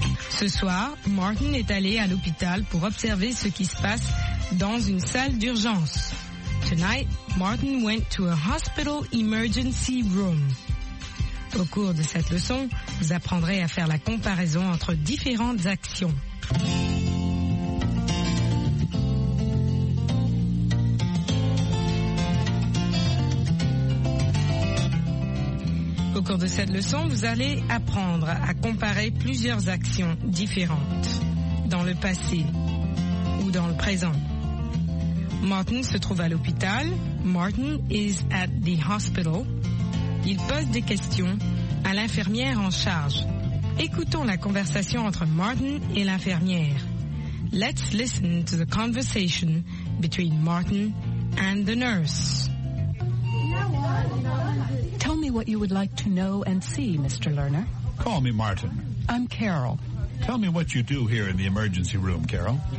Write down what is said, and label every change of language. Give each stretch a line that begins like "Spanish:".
French: Ce soir, Martin est allé à l'hôpital pour observer ce qui se passe dans une salle d'urgence.
English: Tonight, Martin went to a hospital emergency room.
French: Au cours de cette leçon, vous apprendrez à faire la comparaison entre différentes actions. Au cours de cette leçon, vous allez apprendre à comparer plusieurs actions différentes dans le passé ou dans le présent. Martin se trouve à l'hôpital.
English: Martin is at the hospital.
French: Il pose des questions à l'infirmière en charge. Écoutons la conversation entre Martin et l'infirmière.
English: Let's listen to the conversation between Martin and the nurse. Tell me what you would like to know and see, Mr. Lerner. Call me Martin. I'm Carol. Tell me what you do here in the emergency room, Carol.